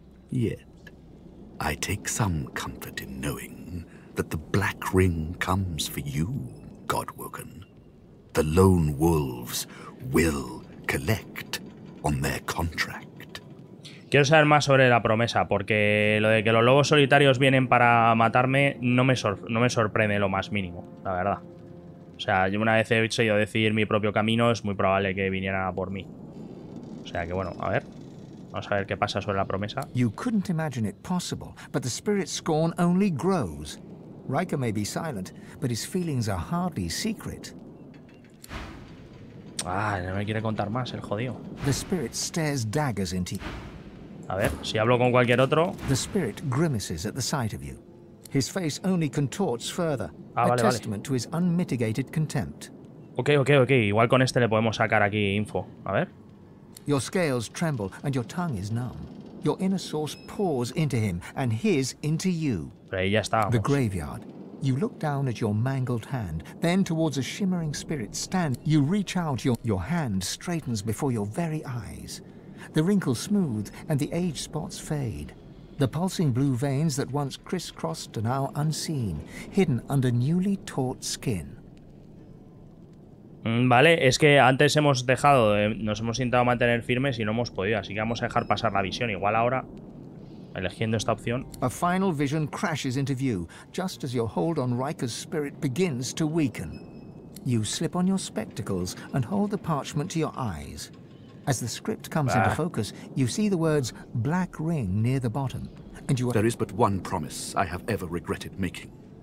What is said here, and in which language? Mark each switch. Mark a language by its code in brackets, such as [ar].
[en] Yet, I take some comfort in knowing that the Black Ring comes for you, Godwoken. The Lone Wolves will collect on their contract. [es] Quiero saber más sobre la promesa, porque lo de que los lobos solitarios vienen para matarme no me sorprende lo más mínimo, la verdad. O sea, yo una vez he decidido decidir mi propio camino, es muy probable que vinieran a por mí. O sea que bueno, a ver. Vamos a ver qué pasa sobre la promesa. [en] You couldn't imagine it possible, but the spirit scorn only grows. Riker may be silent, but his feelings are hardly secret. [es] Ah, no me quiere contar más, el jodido. [en] The spirit stares daggers into you. [es] A ver, si hablo con cualquier otro. [en] The spirit grimaces at the sight of you. His face only contorts further. [es] Ah, vale, [en] a testament to his unmitigated contempt. Ok. [es] Igual con este le podemos sacar aquí info. A ver. [en] Your scales tremble and your tongue is numb. Your inner source pours into him and his into you. [es] Pero ahí ya estábamos. [en] The graveyard. You look down at your mangled hand, then towards a shimmering spirit stand. You reach out, your hand straightens before your very eyes. The wrinkles smooth and the age spots fade. The pulsing blue veins that once crisscrossed are now unseen, hidden under newly taut skin. [es] Vale, es que antes hemos dejado, nos hemos intentado mantener firmes y no hemos podido, así que vamos a dejar pasar la visión. Igual ahora, elegiendo esta opción. [en] A final vision crashes into view, just as your hold on Riker's spirit begins to weaken. You slip on your spectacles and hold the parchment to your eyes. As the script comes into focus, you see the words Black Ring near the bottom, and you are... There is but one promise I have ever regretted making.